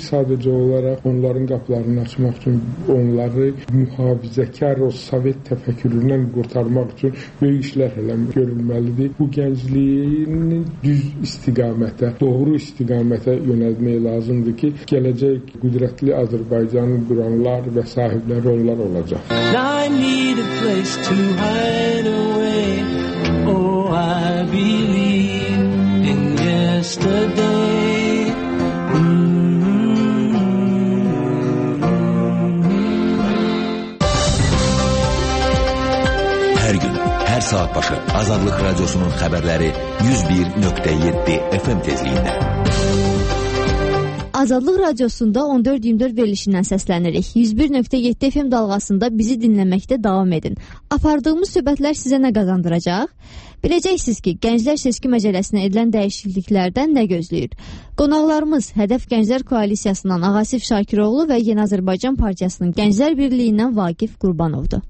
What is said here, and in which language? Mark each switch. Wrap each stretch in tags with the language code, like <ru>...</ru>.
<az>Sadəcə olaraq onların qapılarını açmaq üçün, onları mühafizəkar o sovet təfəkkürünə qurtarmaq üçün böyük işlər görülməlidir. Bu gəncliyin düz istiqamətə, doğru istiqamətə yönəlmək lazımdır ki, gələcək qüdrətli Azərbaycanı quranlar və sahibləri onlar olacaq.</az> <en>To hide away. Oh, I believe in yesterday.</en> <tr>Her gün, her saat başı Azadlık Radyosu'nun haberleri 101.7 FM tezliğinde.</tr> <az>Azadlıq radiosunda 14-24 verilişindən səslənirik. 101.7 FM dalğasında bizi dinləməkdə davam edin. Apardığımız söhbətlər sizə nə qazandıracaq? Biləcəksiniz ki, Gənclər Seçki Məcəlləsinə edilən dəyişikliklərdən nə gözləyir? Qonaqlarımız Hədəf Gənclər Koalisiyasından Ağasif Şakiroğlu və Yeni Azərbaycan Partiyasının Gənclər Birliyindən Vaqif Qurbanovdur.</az>